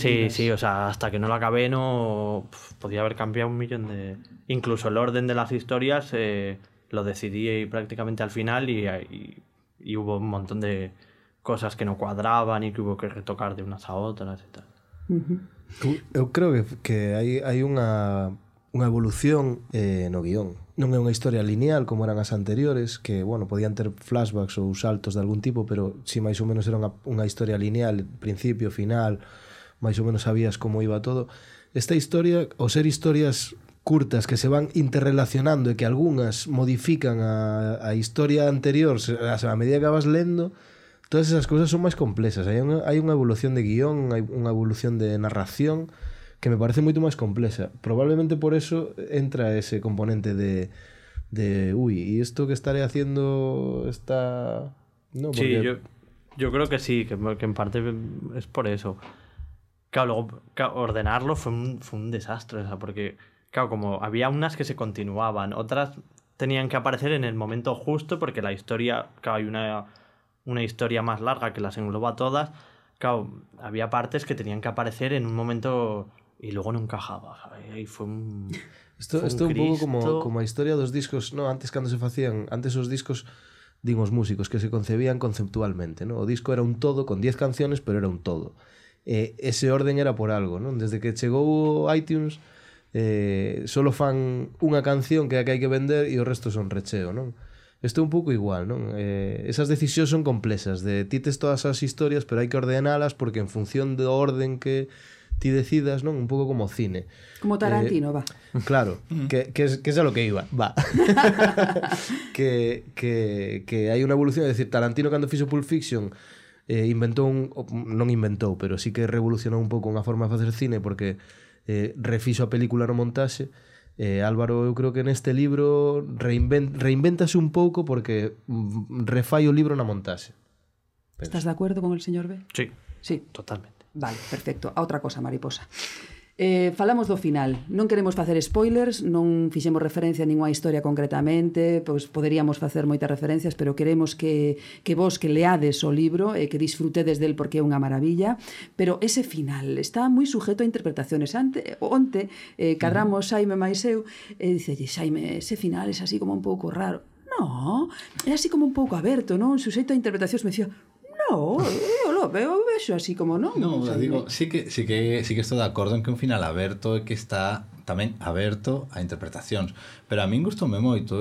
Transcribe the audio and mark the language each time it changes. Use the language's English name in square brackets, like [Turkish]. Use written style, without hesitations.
[Spanish] sí, libros. Sí, o sea, hasta que no lo acabé, no... podía haber cambiado un millón de... Incluso el orden de las historias lo decidí prácticamente al final y hubo un montón de cosas que no cuadraban y que hubo que retocar de unas a otras y tal. [Galician] Eu creo que hai unha evolución no guión. Non é unha historia lineal como eran as anteriores, que, bueno, podían ter flashbacks ou saltos de algún tipo, pero si máis ou menos era unha historia lineal, principio, final, máis ou menos sabías como iba todo. Esta historia, ao ser historias curtas que se van interrelacionando e que algunhas modifican a historia anterior, a medida que vas lendo, todas esas cosas son máis complexas. Hai unha evolución de guión, hai unha evolución de narración que me parece moito máis complexa. Probablemente por eso entra ese componente de ui, e isto que estaré haciendo está... [Spanish] No, porque... Sí, yo creo que sí, que en parte es por eso. Claro, luego ordenarlo fue un desastre, o sea, porque claro, como había unas que se continuaban, otras tenían que aparecer en el momento justo porque la historia... Claro, hay una historia más larga que las engloba todas, claro, había partes que tenían que aparecer en un momento y luego no encajaba. Y fue un... Esto un poco como la historia de los discos, ¿no? Antes cuando se hacían, antes los discos, digamos músicos, que se concebían conceptualmente, ¿no? O disco era un todo con 10 canciones, pero era un todo. Ese orden era por algo, ¿no? Desde que llegó iTunes, solo fan una canción que hay que vender y el resto son recheo, ¿no? [Galician] Esto é un pouco igual, non? Esas decisións son complexas, de ti tes todas as historias, pero hai que ordenalas porque en función do orden que ti decidas, non? Un pouco como cine. Como Tarantino, va. Claro, que é a lo que iba, va. que hai unha evolución, é dicir, Tarantino cando fixo Pulp Fiction non inventou, pero sí que revolucionou un pouco unha forma de facer cine porque refixo a película no montaxe. Álvaro, eu creo que neste libro reinventase un pouco porque refai o libro na montaxe. [Spanish] ¿Estás de acuerdo con el señor B? Sí, sí. Totalmente. [Galician] Vale, perfecto. A outra cosa, mariposa. Falamos do final. Non queremos facer spoilers, non fixemos referencia a ninguna historia concretamente, pois poderíamos facer moitas referencias, pero queremos que vos que leades o libro e que disfrutedes del porque é unha maravilla. Pero ese final está moi sujeto a interpretaciones. Onte, cadramos Xaime máis eu e dicelle, Xaime, ese final é así como un pouco raro. No, é así como un pouco aberto, non? Sujeto a interpretacións, me dicía... No, eu vexo así como non. No, o sea, digo, sí que estou de acordo en que un final aberto é que está tamén aberto a interpretacións, pero a min gustoume moito.